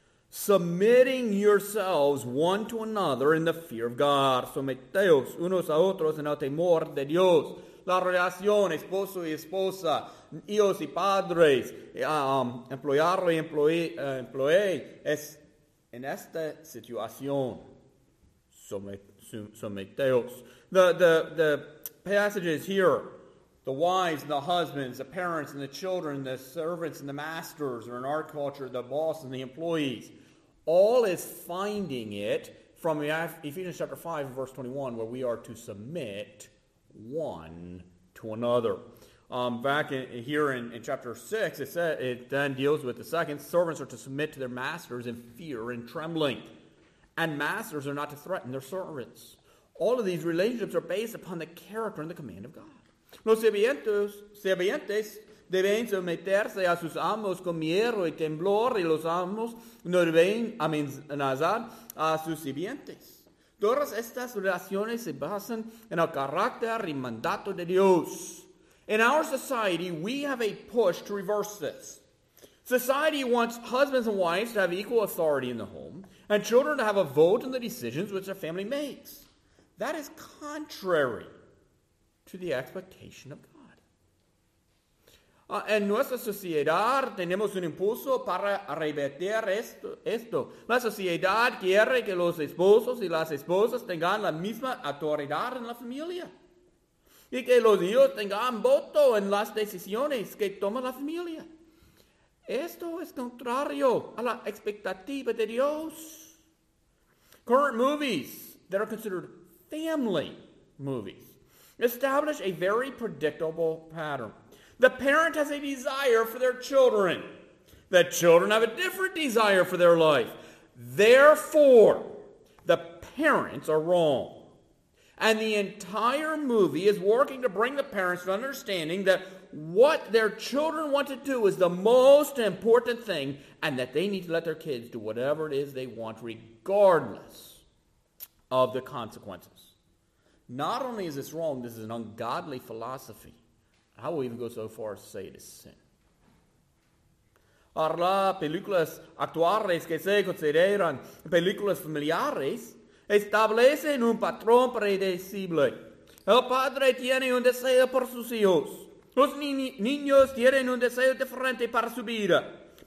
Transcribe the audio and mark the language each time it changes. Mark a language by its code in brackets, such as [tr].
[en] Submitting yourselves one to another in the fear of God. [es] Someteos unos a otros en el temor de Dios. La relación esposo y esposa, hijos y padres, empleado y empleado, es en esta situación. Someteos. [en] The passages here, the wives and the husbands, the parents and the children, the servants and the masters, or in our culture, the boss and the employees, all is finding it from Ephesians chapter 5, verse 21, where we are to submit one to another. Back in chapter 6, it then deals with the second. Servants are to submit to their masters in fear and trembling. And masters are not to threaten their servants. All of these relationships are based upon the character and the command of God. [es] Los sirvientes deben someterse a sus amos con miedo y temblor, y los amos no deben amenazar a sus sirvientes. Todas estas relaciones se basan en el carácter y mandato de Dios. [en] In our society, we have a push to reverse this. Society wants husbands and wives to have equal authority in the home, and children to have a vote in the decisions which their family makes. That is contrary to the expectation of God. [es] En nuestra sociedad tenemos un impulso para revertir esto. La sociedad quiere que los esposos y las esposas tengan la misma autoridad en la familia. Y que los hijos tengan voto en las decisiones que toma la familia. Esto es contrario a la expectativa de Dios. [en] Current movies that are considered family movies establish a very predictable pattern. The parent has a desire for their children. The children have a different desire for their life. Therefore, the parents are wrong. And the entire movie is working to bring the parents to understanding that what their children want to do is the most important thing, and that they need to let their kids do whatever it is they want, regardless of the consequences. Not only is this wrong, this is an ungodly philosophy. I will even go so far as to say it is sin. [es] Habrá películas actuales que se consideran películas familiares establecen un patrón predecible. El padre tiene un deseo por sus hijos. Los niños tienen un deseo diferente para su vida.